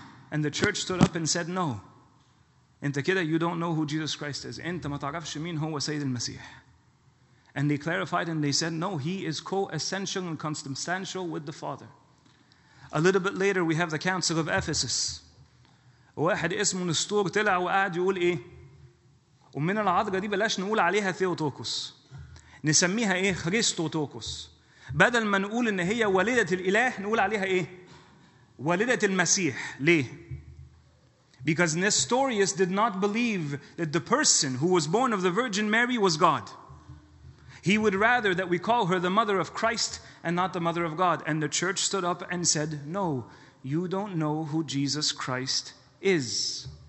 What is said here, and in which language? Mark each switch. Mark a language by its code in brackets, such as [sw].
[en] And the church stood up and said, no. [ar] Inta kida, [en] you don't know who Jesus Christ is. [ar] Inta ma ta'rafsh min huwa Sayyid al-Masih. [en] And they clarified and they said, no, he is co-essential and consubstantial with the Father. A little bit later, we have the Council of Ephesus. [ar] واحد اسمه نستور طلع وقعد يقول ايه؟ ومن العذراء دي بلاش نقول عليها ثيوتوكوس. نسميها ايه؟ خريستوتوكوس. بدل ما نقول ان هي والدة الاله نقول عليها ايه؟ والدة المسيح. ليه؟ [en] Because Nestorius did not believe that the person who was born of the Virgin Mary was God. He would rather that we call her the mother of Christ and not the mother of God. And the church stood up and said, no, you don't know who Jesus Christ is.